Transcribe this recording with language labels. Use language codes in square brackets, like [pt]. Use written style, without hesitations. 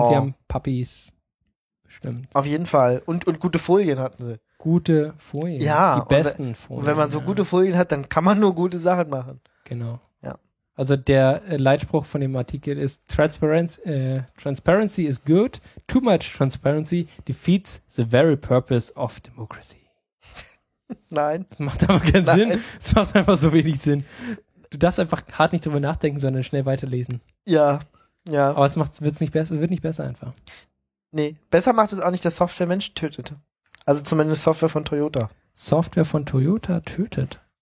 [de] Und sie haben Puppies. Stimmt. Auf jeden Fall. Und gute Folien hatten sie. Gute Folien. Ja. Die besten Folien. Und wenn man so gute Folien hat, dann kann man nur gute Sachen machen. Genau. Ja. Also der Leitspruch von dem Artikel ist [en] Transparency is good. Too much transparency defeats the very purpose of democracy. [de] Nein. Das macht aber keinen Sinn. Das macht einfach so wenig Sinn. Du darfst einfach hart nicht drüber nachdenken, sondern schnell weiterlesen. Ja. Ja. Aber es wird nicht besser einfach. Nee. Besser macht es auch nicht, dass Software Menschen tötet. Also zumindest Software von Toyota. Software von Toyota tötet.